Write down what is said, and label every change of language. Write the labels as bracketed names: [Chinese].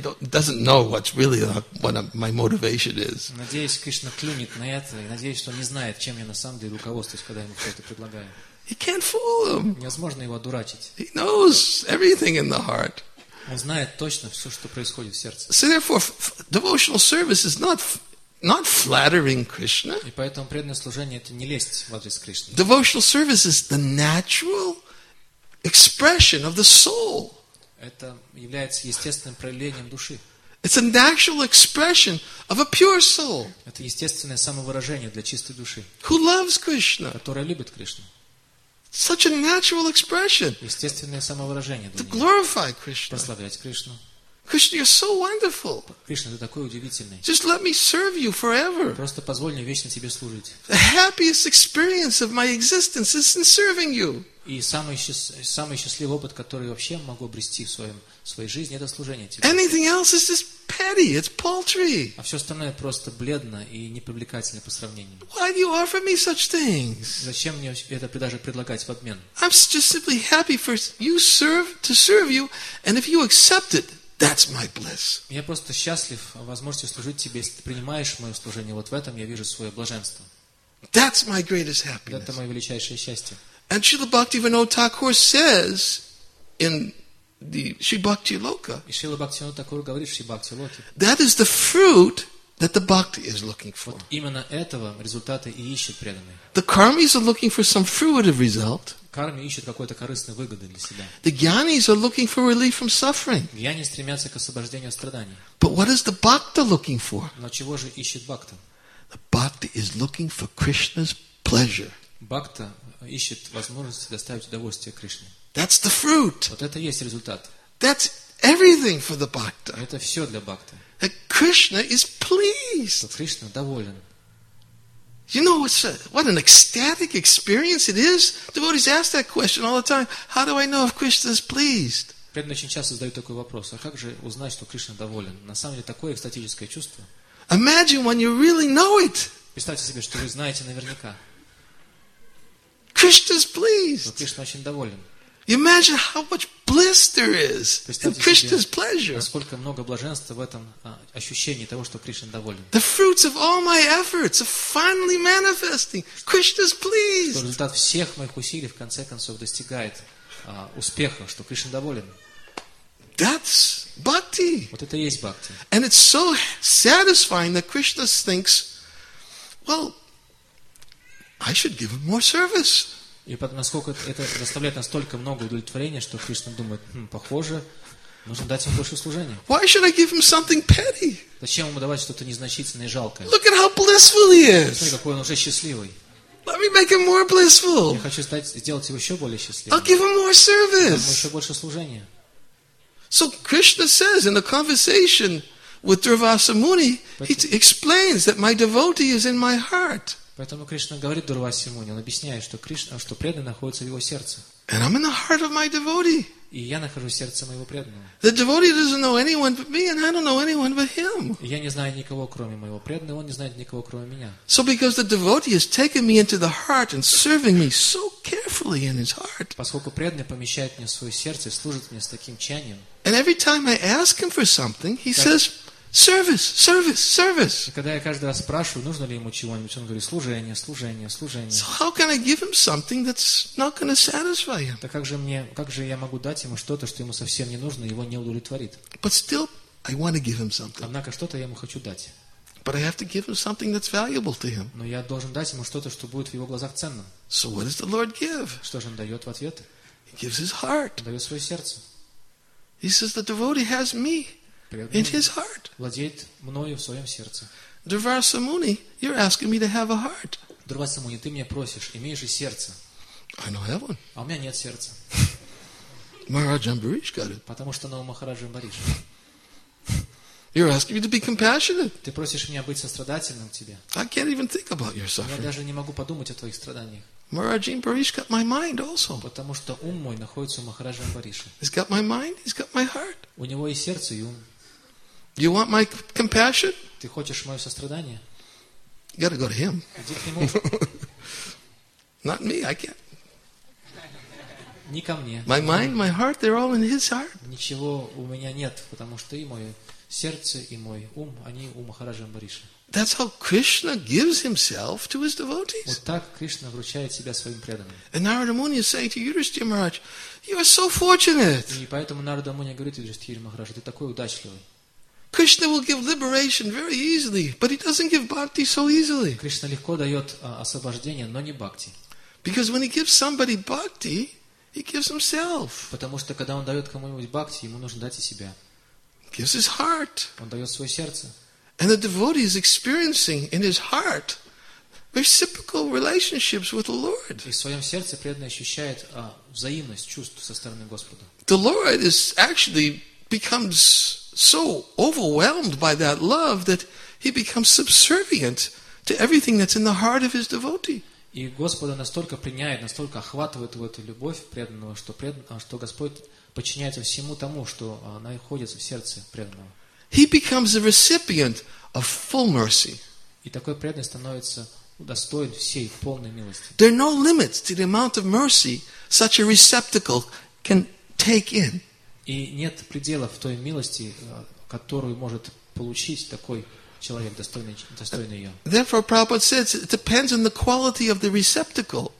[English] Doesn't know what's really what my motivation is. [Russian] Надеюсь, Кришна клюнет на это, и надеюсь, что не знает, чем я на самом деле руководствуюсь, когда ему что-то предлагаю. [English] He can't fool him. [Russian] Невозможно его одурачить. [English] He knows everything in the heart. [Russian] Он знает точно все, что происходит в сердце. [English] So therefore, devotional service is not flattering Krishna. [Russian] И поэтому преданное служение это не лезть в адрес Кришны. [English] Devotional service is the natural expression of the soul. [Russian] Это является естественным проявлением души. [English] It's a natural expression of a pure soul. [Russian] Это естественное самовыражение для чистой души. [English] Who loves Krishna? [Russian] Которая любит Кришну. [English] Such a natural expression. [Russian] Естественное самовыражение. [English] To glorify Krishna. [Russian] Прославлять Кришну. [English] Krishna, you're so wonderful. [Russian] Кришна, ты такой удивительный. [English] Just let me serve you forever. [Russian] Просто позволь мне вечно тебе служить. [English] The happiest experience of my existence is in serving you. [Russian] И самый счастливый опыт, который я вообще могу обрести в своей жизни, это служение тебе. [English] Anything else is just petty, it's paltry. [Russian] А все остальное просто бледно и непривлекательно по сравнению. [English] Why do you offer me such things? [Russian] Зачем мне это даже предлагать в обмен? [English] I'm just simply happy for you to serve you, and if you accept it, that's my bliss. [Russian] Я просто счастлив о возможности служить тебе, если ты принимаешь мое служение. Вот в этом я вижу свое блаженство. [English] That's my greatest happiness. [Russian] Это мое величайшее счастье. [English] And Śrīla Bhaktivinoda Thakur says in the Śrī Bhakti Loka. [Russian] И Śrīla Bhaktivinoda Thakur говорит в Śrī Bhakti Loki. [English] That is the fruit that the bhakti is looking for. [Russian] Вот именно этого результата и ищет преданный. [English] The karmis are looking for some fruitive result. [Russian] Карми ищет какой-то корыстной выгоды для себя. [English] The gyanis are looking for relief from suffering. [Russian] Гьяни стремятся к освобождению от страданий. [English] But what is the bhakta looking for? [Russian] Но чего же ищет бхакта? [English] The bhakti is looking for Krishna's pleasure. [Russian] Бхакта ищет возможность доставить удовольствие Кришне. [English] That's the fruit. [Russian] Вот это есть результат. [English] That's everything for the bhakta. [Russian] Это все для бхакта. [English] That Krishna is pleased. [Russian] Что Кришна доволен. [English] You know what an ecstatic experience it is? Devotees ask that question all the time. How do I know if Krishna is pleased? [Russian] Преданные очень часто задают такой вопрос. А как же узнать, что Кришна доволен? На самом деле такое экстатическое чувство. [English] Imagine when you really know it. [Russian] Представьте себе, что вы знаете наверняка. [English] Krishna is pleased. [Russian] Кришна очень доволен. [English] Imagine how much bliss there is in Krishna's pleasure. [Russian] Сколько много блаженства в этом ощущении того, что Кришна доволен. [English] The fruits of all my efforts are finally manifesting. Krishna is pleased. [Russian] Что результат всех моих усилий в конце концов достигает успеха, что Кришна доволен. [English] That's bhakti. [Russian] Вот это и есть бхакти. [English] And it's so satisfying that Krishna thinks, well, I should give him more service. [Russian] И потом, насколько это доставляет настолько много удовлетворения, что Кришна думает, похоже, Нужно дать ему больше служения. [English] Why should I give him something petty? [Russian] Зачем ему давать что-то незначительное и жалкое? [English] Look at how blissful he is. [Russian] Смотри, какой он уже счастливый. [English] Let me make him more blissful. [Russian] Я хочу сделать его еще более счастливым. [English] I'll give him more service. [Russian] Дать ему еще больше служения. [English] So Krishna says in a conversation with Durvasa Muni, he explains that my devotee is in my heart. [Russian] Поэтому Кришна говорит Дурвасе Муни, он объясняет, что Кришна, что преданный находится в его сердце. [English] And I'm in the heart of my devotee. [Russian] И я нахожусь в сердце моего преданного. [English] The devotee doesn't know anyone but me, and I don't know anyone but him. [Russian] Я не знаю никого, кроме моего преданного, он не знает никого, кроме меня. [English] So because the devotee has taken me into the heart and serving me so carefully in his heart. [Russian] Поскольку преданный помещает меня в свое сердце и служит мне с таким тщанием. [English] And every time I ask him for something, he says, service, service, service. [Russian] Когда я каждый раз спрашиваю, нужно ли ему чего-нибудь, он говорит: служение, служение, служение. [English] So how can I give him something that's not going to satisfy him? [Russian] Так как же я могу дать ему что-то, что ему совсем не нужно, его не удовлетворит? [English] But still, I want to give him something. [Russian] Однако что-то я ему хочу дать. [English] But I have to give him something that's valuable to him. [Russian] Но я должен дать ему что-то, что будет в его глазах ценным. [English] So what does the Lord give? [Russian] Что же он дает в ответ? [English] He gives his heart. [Russian] Он дает свое сердце. [English] He says the devotee has me. In his heart. [Russian] Владеет мною в своем сердце. [English] Durvasa Muni, you're asking me to have a heart. [Russian] Durvasa Muni, ты меня просишь, имей же сердце. [English] I don't have one. [Russian] А у меня нет сердца. [English] Maharaj Ambarish got it. [Russian] Потому что новый Махарадж Амбариш. [English] You're asking me to be compassionate. [Russian] Ты просишь меня быть сострадательным к тебе. [English] I can't even think about your suffering. [Russian] Я даже не могу подумать о твоих страданиях. [English] Maharaj Ambarish got my mind also. [Russian] Потому что ум мой находится у Махараджа Амбариша. [English] He's got my mind, he's got my heart. [Russian] У него и сердце, и ум. [English] You want my compassion? [Russian] Ты хочешь мое сострадание? [English] You gotta go to him. [Russian] Иди к нему. [English] Not me, I can't. [Russian] Не ко мне. [English] My mind, my heart, they're all in his heart. [Russian] Ничего у меня нет, потому что и мое сердце, и мой ум, они у Махараджа Амбариша. [English] That's how Krishna gives himself to his devotees. [Russian] Вот так Кришна вручает себя своим преданным. [English] And Narada Muni is saying to Yudhishthira Maharaj, you are so fortunate. [Russian] И поэтому Нарада Муни говорит Юдхиштхире Махарадж, ты такой удачливый. [English] Krishna will give liberation very easily, but he doesn't give bhakti so easily. [Russian] Кришна легко дает освобождение, но не бхакти. [English] Because when he gives somebody bhakti, he gives himself. [Russian] Потому что когда он дает кому-нибудь бхакти, ему нужно дать и себя. [English] He gives his heart. [Russian] Он дает свое сердце. [English] And the devotee is experiencing in his heart reciprocal relationships with the Lord. [Russian] И в своем сердце преданный ощущает взаимность чувств со стороны Господа. [English] The Lord is actually becomes so overwhelmed by that love that he becomes subservient to everything that's in the heart of his devotee. [Russian] И Господа настолько принимает, настолько охватывает его эту любовь преданного, что Господь подчиняется всему тому, что находится в сердце преданного. [English] He becomes a recipient of full mercy. [Russian] И такой преданный становится удостоен всей полной милости. [English] There are no limits to the amount of mercy such a receptacle can take in. [Russian] И нет пределов той милости, которую может получить такой человек, достойный ее. [English] Therefore, Prabhupada says it depends on the quality of the receptacle.